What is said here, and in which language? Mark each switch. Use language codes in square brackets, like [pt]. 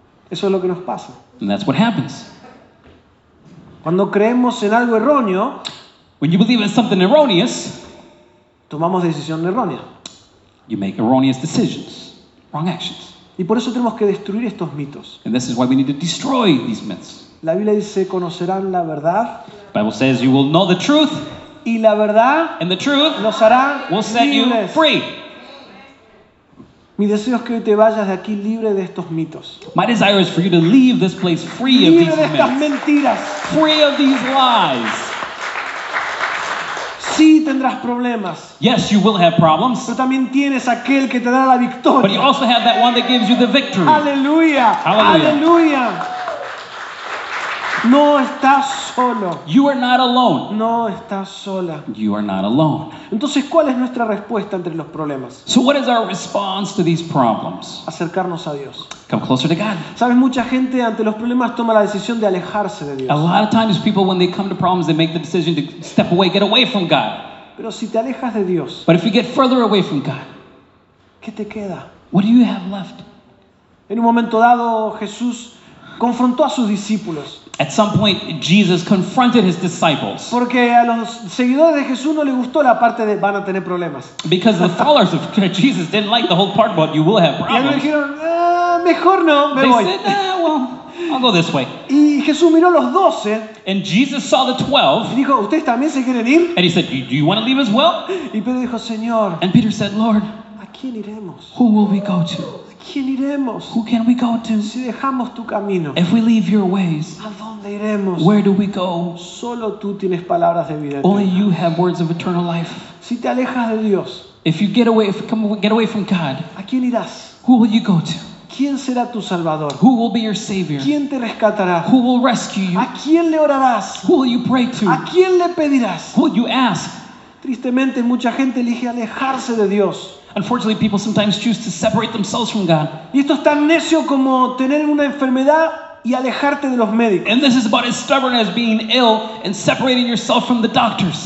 [es] Eso es lo que nos pasa. [en] And that's what happens. [es] Cuando creemos en algo erróneo, [en] when you believe in something erroneous, [es] tomamos decisión errónea. [en] You make erroneous decisions, wrong actions. [es] Y por eso tenemos que destruir estos mitos. [en] And this is why we need to destroy these myths. [es] La Biblia dice, conocerán la verdad. [en] The Bible says, you will know the truth. [es] Y la verdad. [en] And the truth. [es] Los hará [en] will set [es] libres. [en] You free. [es] Mi deseo es que hoy te vayas de aquí libre de estos mitos. [en] My desire is for you to leave this place free [es] libre [en] of these myths. [es] Libre de estas mentiras. [en] Free of these lies. [es] Sí, tendrás problemas. [en] Yes, you will have problems. [es] Pero también tienes aquel que te da la victoria. [en] But you also have that one that gives you the victory. [es] Aleluya. [en] Aleluya. [es] No estás solo. [en] You are not alone. [es] No estás sola. [en] You are not alone. [es] Entonces, ¿cuál es nuestra respuesta entre los problemas? [en] So what is our response to these problems? [es] Acercarnos a Dios. [en] Come closer to God. [es] Sabes, mucha gente ante los problemas toma la decisión de alejarse de Dios. [en] A lot of times people when they come to problems they make the decision to step away, get away from God. [es] Pero si te alejas de Dios. [en] But if you get further away from God. [es] ¿Qué te queda? [en] What do you have left? [es] En un momento dado Jesús confrontó a sus discípulos. [en] At some point, Jesus confronted his disciples. [es] Porque a los seguidores de Jesús no les gustó la parte de van a tener problemas. [en] Because the followers of Jesus didn't like the whole part about you will have problems. [es] Y ellos dijeron, mejor no, me [en] they [es] voy. [en] Said, nah, well, I'll go this way. [es] Y Jesús miró los 12. [en] And Jesus saw the 12. [es] Y dijo, ¿ustedes también se quieren ir? [en] And he said, do you want to leave as well? [es] Y Pedro dijo, Señor. [en] And Peter said, Lord, [es] ¿a quién iremos? [en] Who will we go to? [es] ¿Quién iremos? [en] Who can we go to? [es] Si dejamos tu camino. [en] If we leave your ways. [es] ¿A dónde iremos? [en] Where do we go? [es] Solo tú tienes palabras de vida eterna. [en] Only you have words of eternal life. [es] Si te alejas de Dios. [en] If you get away, if you get away from God. [es] ¿A quién irás? [en] Who will you go to? [es] ¿Quién será tu salvador? [en] Who will be your savior? [es] ¿Quién te rescatará? [en] Who will rescue you? [es] ¿A quién le orarás? [en] Who will you pray to? [es] ¿A quién le pedirás? [en] Who will you ask? [es] Tristemente, mucha gente elige alejarse de Dios. [en] Unfortunately, people sometimes choose to separate themselves from God. [es] Y esto es tan necio como tener una enfermedad y alejarte de los médicos. [en] And this is about as stubborn as being ill and separating yourself from the doctors.